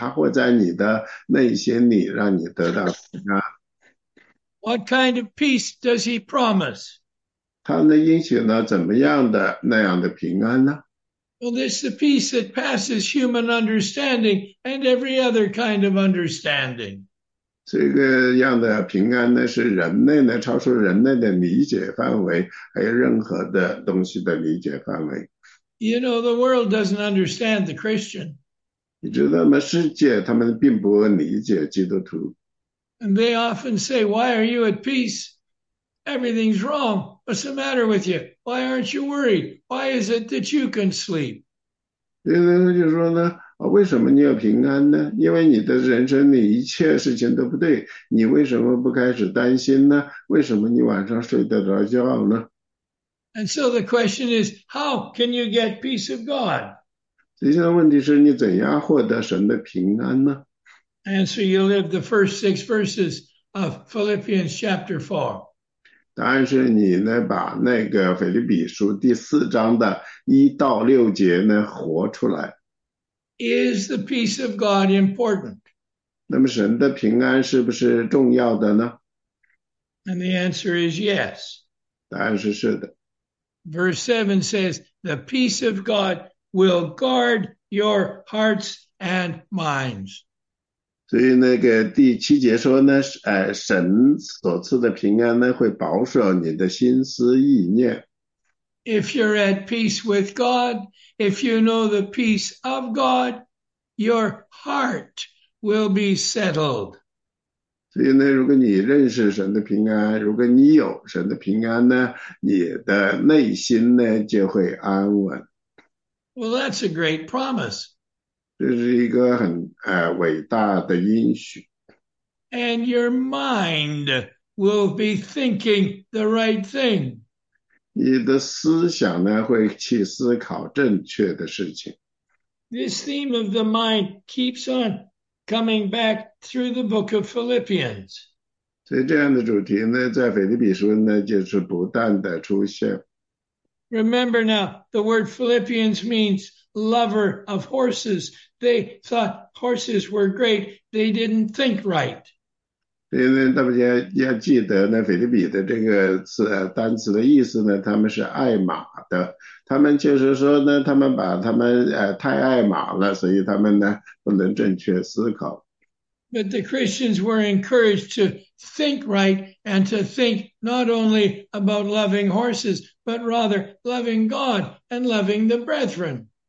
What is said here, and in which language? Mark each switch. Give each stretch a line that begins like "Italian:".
Chinese: 它会在你的内心里让你得到平安。
English: What kind of peace does he promise?
Chinese: 它呢，应许了怎么样的那样的平安呢？
English: Well, this is the peace that passes human understanding and every other kind of understanding.
Chinese: 这个样的平安呢，是人类呢超出人类的理解范围，还有任何的东西的理解范围。
English: You know, the world doesn't understand the Christian.
Chinese: 你知道吗？世界他们并不理解基督徒。
English: And they often say, "Why are you at peace? Everything's wrong. What's the matter with you? Why aren't you worried? Why is it that you can sleep?"
Chinese: 因为他就说呢。为什么你有平安呢？因为你的人生里一切事情都不对，你为什么不开始担心呢？为什么你晚上睡得着觉呢？
English: And so the question is, how can you get peace of God?
Chinese: 接下来问题是你怎样获得神的平安呢？
English: Answer, you live the first six verses of Philippians chapter 4.
Chinese: 答案是你呢，把那个腓立比书第四章的1到6节呢活出来。
English: Is the peace of God important?
Chinese: 那么神的平安是不是重要的呢？
English: And the answer is yes.
Chinese: 答案是的。
English: Verse 7 says, the peace of God will guard your hearts and minds.
Chinese: 所以那个第七节说呢，神所赐的平安呢，会保守你的心思意念。
English: If you're at peace with God, if you know the peace of God, your heart will be settled.
Chinese: 所以呢，如果你认识神的平安，如果你有神的平安呢，你的内心呢就会安稳。
English: Well, that's a great promise.
Chinese: 这是一个很伟大的应许。
English: And your mind will be thinking the right thing.
Chinese: 你的思想呢会去思考正确的事情。
English: This theme of the mind keeps on coming back through the book of Philippians.
Chinese: 所以这样的主题呢，在腓立比书呢，就是不断的出现。
English: Remember now, the word Philippians means lover of horses. They thought horses were great. They didn't think right.
Chinese: 因为他们要记得呢，菲律宾的这个是单词的意思呢，他们是爱马的，他们就是说呢，他们把他们太爱马了，所以他们呢不能正确思考。
English: But the Christians were encouraged to think right and to think not only about loving horses, but rather loving God and loving the brethren.